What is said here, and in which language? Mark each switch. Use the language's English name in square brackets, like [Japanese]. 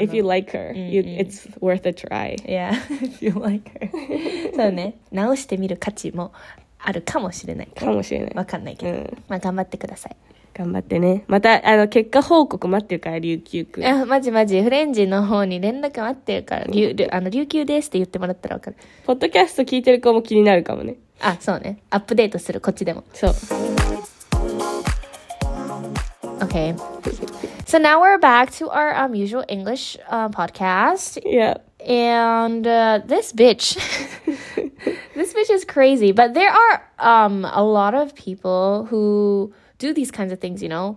[English] If you like her、うんうん、it's worth a try. Yeah, if you like her. [Japanese] そうね、直してみる価値もあるかもしれない、かもしれない、わかんないけど、うん、まあ頑張ってください。頑張ってね。またあの結果報告待ってるから、琉球くん。あ、マジマジ、フレンジの方に連絡待ってるから、琉球ですって言ってもらったら分かる。ポッドキャスト聞いてる子も気になるかもね。あ、そうね、アップデートする、こっちでも。そう [English] Okay. So now we're back to our usual English podcast. Yeah. And this bitch this bitch is crazy. But there are a lot of people whodo these kinds of things, you know?